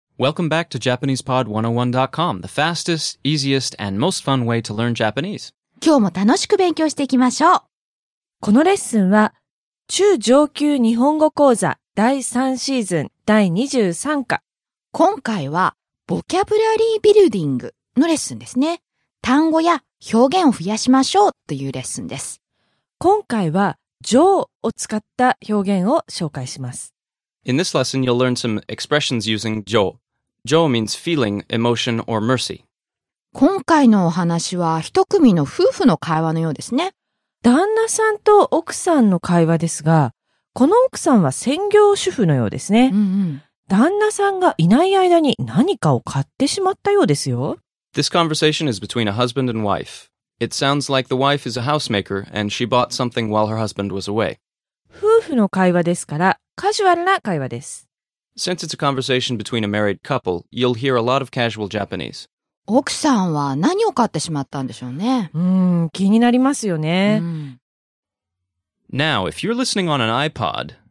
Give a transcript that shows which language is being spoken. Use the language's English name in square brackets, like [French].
[English] Welcome back to JapanesePod101.com, the fastest, easiest, and most fun way to learn Japanese. [Japanese] 今日も楽しく勉強していきましょう。このレッスンは、中上級日本語講座第3シーズン第23課。今回は、ボキャブラリービルディングのレッスンですね。単語や表現を増やしましょうというレッスンです。今回は、上を使った表現を紹介します。 [English] In this lesson, you'll learn some expressions using 上。上 means feeling, emotion, or mercy. [Japanese] 今回のお話は、一組の夫婦の会話のようですね。旦那さんと奥さんの会話ですが、この奥さんは専業主婦のようですね、うんうん。旦那さんがいない間に何かを買ってしまったようですよ。 [English] This conversation is between a husband and wife. It sounds like the wife is a housemaker and she bought something while her husband was away. [Japanese] 夫婦の会話ですから、カジュアルな会話です。 [English] Since it's a conversation between a married couple, you'll hear a lot of casual Japanese. [Japanese] 奥さんは何を買ってしまったんでしょうね。気になりますよね。 [English] Now, if you're listening on an iPod,